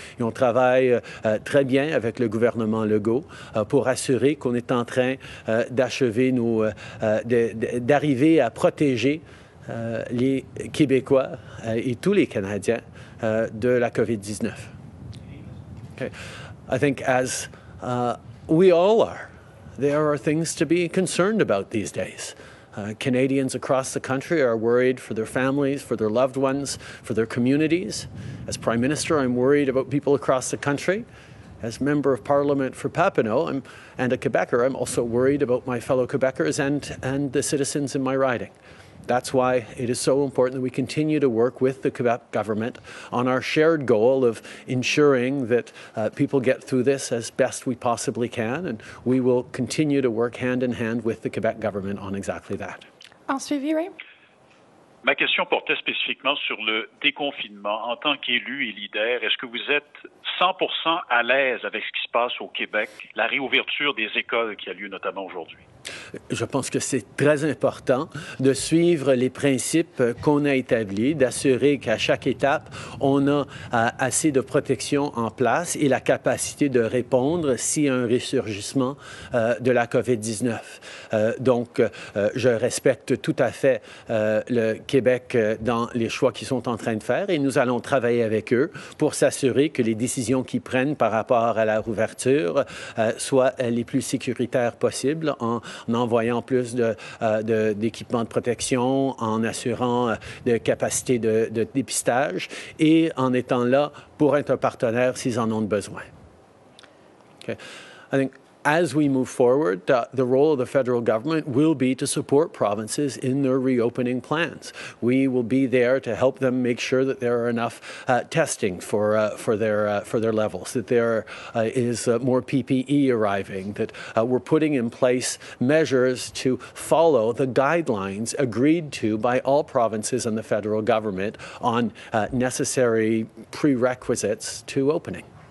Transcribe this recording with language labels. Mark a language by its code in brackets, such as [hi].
[fr] Et on travaille très bien avec le gouvernement Legault pour assurer qu'on est en train d'achever d'arriver à protéger les Québécois et tous les Canadiens de la COVID-19. [en] Okay. I think as we all are, there are things to be concerned about these days. Canadians across the country are worried for their families, for their loved ones, for their communities. As Prime Minister, I'm worried about people across the country. As Member of Parliament for Papineau and a Quebecer, I'm also worried about my fellow Quebecers and the citizens in my riding. That's why it is so important that we continue to work with the Quebec government on our shared goal of ensuring that people get through this as best we possibly can, and we will continue to work hand in hand with the Quebec government on exactly that. [fr] En suivi, Ray. Ma question portait spécifiquement sur le déconfinement. En tant qu'élu et leader, est-ce que vous êtes 100% à l'aise avec ce qui se passe au Québec, la réouverture des écoles qui a lieu notamment aujourd'hui? Je pense que c'est très important de suivre les principes qu'on a établis, d'assurer qu'à chaque étape, on a assez de protection en place et la capacité de répondre s'il y a un ressurgissement de la COVID-19. Je respecte tout à fait le Québec dans les choix qu'ils sont en train de faire et nous allons travailler avec eux pour s'assurer que les décisions qu'ils prennent par rapport à la réouverture soient les plus sécuritaires possibles en envoyant plus d'équipements de protection, en assurant des capacités de dépistage et en étant là pour être un partenaire s'ils en ont besoin. [en] Okay. I think as we move forward, the role of the federal government will be to support provinces in their reopening plans. We will be there to help them make sure that there are enough testing for their levels, that there is more PPE arriving, that we're putting in place measures to follow the guidelines agreed to by all provinces and the federal government on necessary prerequisites to opening.